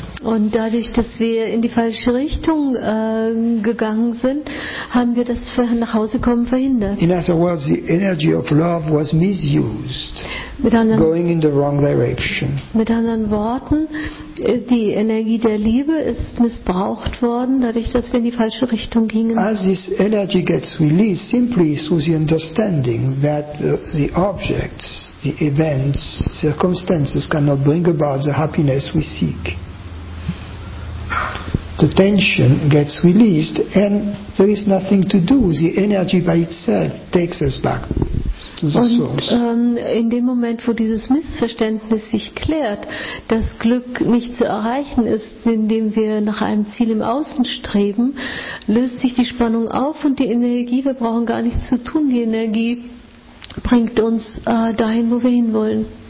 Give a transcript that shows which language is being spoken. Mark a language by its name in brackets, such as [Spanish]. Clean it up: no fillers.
[German] Und dadurch, dass wir in die falsche Richtung gegangen sind, haben wir das nach Hause kommen verhindert. [English] In other words, the energy of love was misused, going in the wrong direction. [German] Mit anderen Worten, die Energie der Liebe ist missbraucht worden, dadurch, dass wir in die falsche Richtung gingen. [English] As this energy gets released, simply through the understanding that the objects, the events, circumstances cannot bring about the happiness we seek. The tension gets released and there is nothing to do. The energy by itself takes us back to the [German] und, [English] source. [German] In dem Moment, wo dieses Missverständnis sich klärt, dass Glück nicht zu erreichen ist, indem wir nach einem Ziel im Außen streben, löst sich die Spannung auf und die Energie, wir brauchen gar nichts zu tun, die Energie bringt uns dahin, wo wir hinwollen.